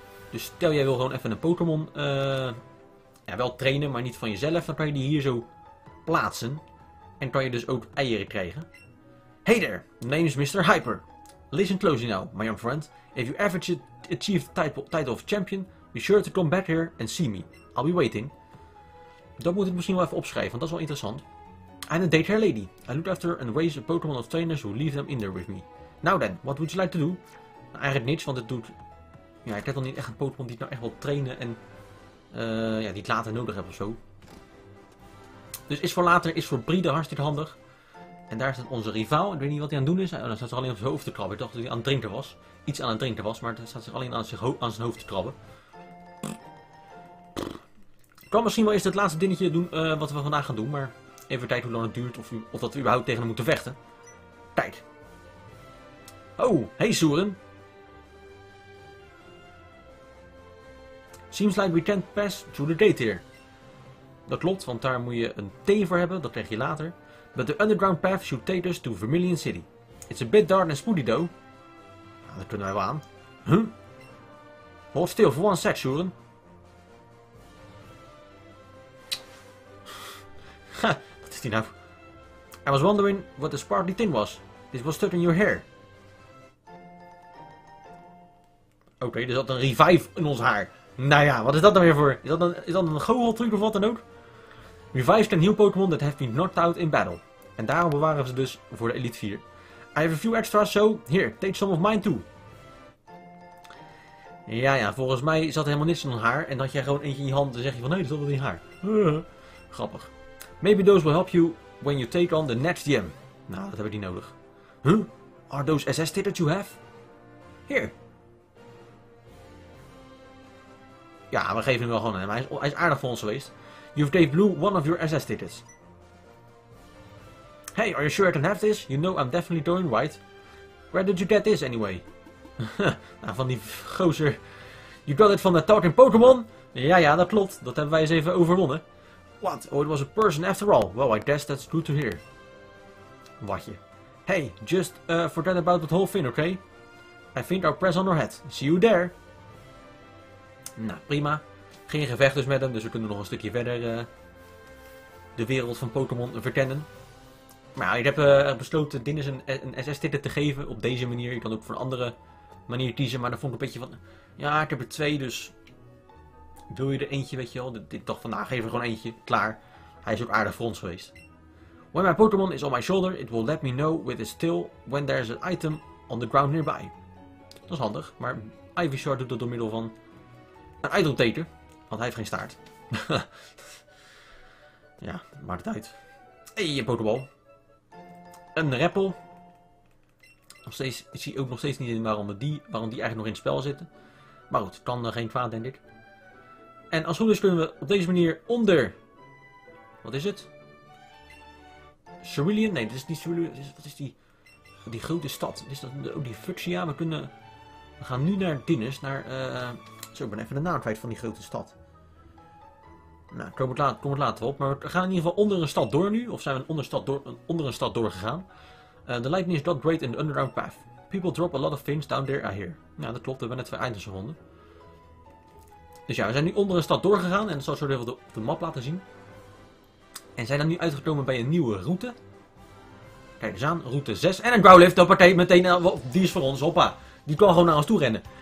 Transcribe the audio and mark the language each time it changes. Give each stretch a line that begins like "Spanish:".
Dutch: Dus stel jij wil gewoon even een Pokémon wel trainen, maar niet van jezelf. Dan kan je die hier zo plaatsen. En kan je dus ook eieren krijgen.
English: Hey there, my name is Mr. Hyper. Listen closely now, my young friend. If you ever achieve the title of champion, be sure to come back here and see me. I'll be waiting.
Dutch: Dat moet ik misschien wel even opschrijven, want dat is wel interessant.
English: I'm a daycare lady. I look after and raise a Pokémon of trainers who leave them in there with me. Now then, what would you like to do?
Dutch: Nou, eigenlijk niks, want het doet... Ja, ik heb dan niet echt een Pokémon die ik nou echt wil trainen en... die ik later nodig heb of zo. Dus is voor later, is voor breeden hartstikke handig. En daar staat onze rivaal. Ik weet niet wat hij aan het doen is. Hij staat zich alleen op zijn hoofd te krabben. Ik dacht dat hij aan het drinken was. Iets aan het drinken was, maar hij staat zich alleen aan zijn hoofd te krabben. Ik kan misschien wel eens het laatste dingetje doen wat we vandaag gaan doen, maar... Even kijken hoe lang het duurt of dat we überhaupt tegen hem moeten vechten. Kijk. Oh, hey Soeren.
English: Seems like we can't pass through the gate here.
Dutch: Dat klopt, want daar moet je een T voor hebben, dat krijg je later.
English: But the underground path should take us to Vermilion City. It's a bit dark and spooky though.
Dutch: Nou, dat kunnen wij wel aan.
English: Huh? Hold still for one sec, Soeren. Ha. I was wondering what the sparkly thing was. This was stuck in your hair.
Dutch: Oké, er zat een revive in ons haar. Nou ja, wat is dat dan weer voor? Is dat een goocheltruc of wat dan ook?
English: Revives can heal Pokémon that have been knocked out in battle.
Dutch: En daarom bewaren we ze dus voor de Elite 4.
English: I have a few extras, so here, take some of mine too.
Dutch: Ja ja, volgens mij zat er helemaal niks in ons haar. En dan had jij gewoon eentje in je hand en zeg je van, nee, dat zat wel in je haar. Grappig.
English: Maybe those will help you when you take on the next GM.
Dutch: Nou, dat heb ik niet nodig.
English: Huh? Are those SS tickets you have? Here.
Dutch: Ja, we geven hem wel gewoon aan hem. Hij is aardig voor ons geweest.
English: You've gave Blue one of your SS tickets. Hey, are you sure I can have this? You know I'm definitely going white. Where did you get this anyway?
Dutch: Nou, van die gozer.
English: You got it from the talking Pokémon?
Dutch: Ja, ja, dat klopt. Dat hebben wij eens even overwonnen.
English: What? Oh, it was a person after all. Well, I guess that's good to hear.
Dutch: Watje.
English: Hey, just forget about that whole thing, okay? I think I'll press on her head. See you there.
Dutch: Nou, prima. Geen gevecht dus met hem, dus we kunnen nog een stukje verder de wereld van Pokémon verkennen. Maar ja, ik heb besloten Dinnis een SS-ticket te geven op deze manier. Je kan ook voor een andere manier kiezen, maar dan vond ik een beetje van... Ja, ik heb er twee, dus... Wil je er eentje, weet je wel? Dit toch vandaag even gewoon eentje. Klaar. Hij is ook aardig voor ons geweest.
English: When my Pokémon is on my shoulder, it will let me know with its tail when there's an item on the ground nearby.
Dutch: Dat is handig, maar Ivysaur doet dat door middel van een item teken, want hij heeft geen staart. Ja, maakt het uit. Hey, je Pokéball. Een Rappel. Ik zie ook nog steeds niet in waarom die eigenlijk nog in het spel zitten. Maar goed, kan geen kwaad, denk ik. En als goed is kunnen we op deze manier onder... Wat is het? Cerulean? Nee, dit is niet Cerulean. Wat is die... Die grote stad. Is dat ook die Fuchsia? We kunnen... We gaan nu naar Dinnis. Naar... Zo, ik ben even de naam kwijt van die grote stad. Nou, kom het later op. Maar we gaan in ieder geval onder een stad door nu. Of zijn we onder een stad doorgegaan.
English: The lightning is not great in the underground path. People drop a lot of things down there, I hear.
Dutch: Nou, dat klopt. We hebben net twee items gevonden. Dus ja, we zijn nu onder een stad doorgegaan en dat zal ik zo even op de map laten zien. En zijn dan nu uitgekomen bij een nieuwe route. Kijk eens aan, route 6. En een Growlithe, dat partij meteen, die is voor ons, hoppa. Die kan gewoon naar ons toe rennen.